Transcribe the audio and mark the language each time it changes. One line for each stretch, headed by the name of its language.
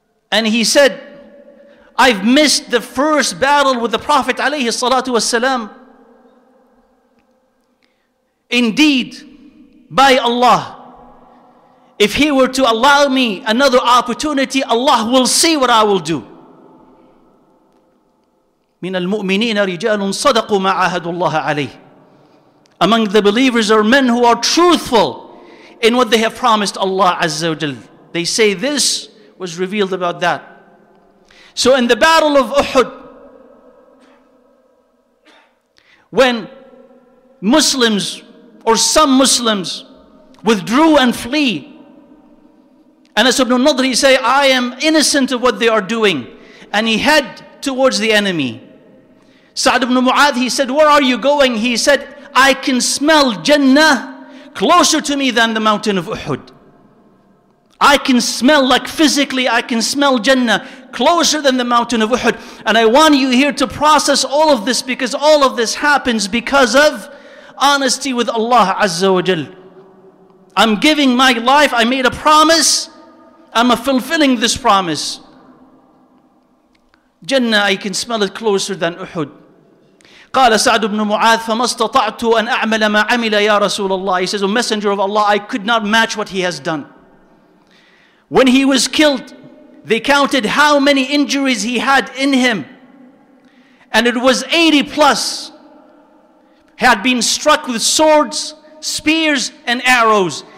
English: And he said, I've missed the first battle with the Prophet alayhi salatu wasalam. Indeed, by Allah, if he were to allow me another opportunity, Allah will see what I will do.
Arabic: من المؤمنين رجال صدقوا ما عاهدوا الله عليه.
English: Among the believers are men who are truthful in what they have promised Allah Azza wa Jal. They say this was revealed about that. So in the battle of Uhud, when Muslims or some Muslims withdrew and flee, Anas ibn Nadr, he say, I am innocent of what they are doing. And he head towards the enemy. Sa'd ibn Mu'adh, he said, where are you going? He said, I can smell Jannah closer to me than the mountain of Uhud. I can smell, like physically, I can smell Jannah closer than the mountain of Uhud. And I want you here to process all of this, because all of this happens because of honesty with Allah Azza wa Jal. I'm giving my life, I made a promise, I'm fulfilling this promise. Jannah, I can smell it closer than Uhud.
Arabic: قال سعد بن معاذ فما استطعت أن أعمل ما عمل يا رسول الله.
English: He says, O Messenger of Allah, I could not match what he has done. When he was killed, they counted how many injuries he had in him. And it was 80 plus. He had been struck with swords, spears, and arrows.